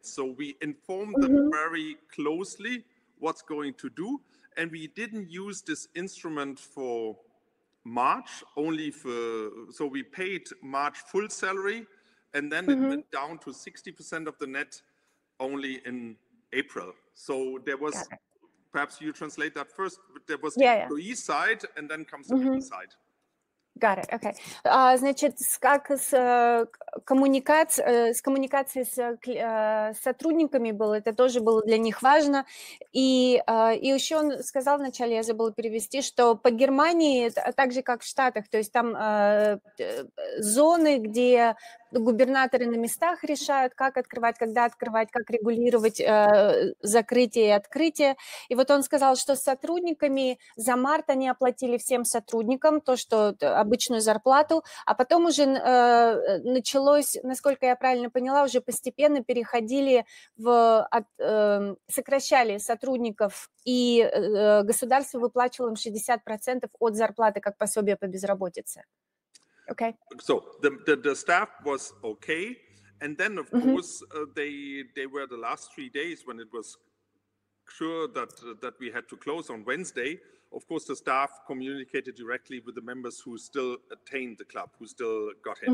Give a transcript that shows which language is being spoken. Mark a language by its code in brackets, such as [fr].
[en] So we informed them very closely what's going to do, and we didn't use this instrument for March only so we paid March full salary, and then it went down to 60% of the net only in April. So there was. Perhaps you translate that first, but there was the employee side, and then comes the business side. Got it. Okay. [ru] Значит, как с коммуникация, с коммуникацией с сотрудниками было, это тоже было для них важно. И еще он сказал вначале, я забыла перевести, что по Германии, так же, как в Штатах, то есть там зоны, где губернаторы на местах решают, как открывать, когда открывать, как регулировать закрытие и открытие. И вот он сказал, что с сотрудниками за март они оплатили всем сотрудникам то, что обычную зарплату, а потом уже началось, насколько я правильно поняла, уже постепенно переходили в сокращали сотрудников, и государство выплачивало им 60% от зарплаты как пособие по безработице. [en] Okay. So the staff was okay, and then of mm-hmm. course they were the last 3 days when it was sure that we had to close on Wednesday. Of course, the staff communicated directly with the members who still attained the club, who still got in.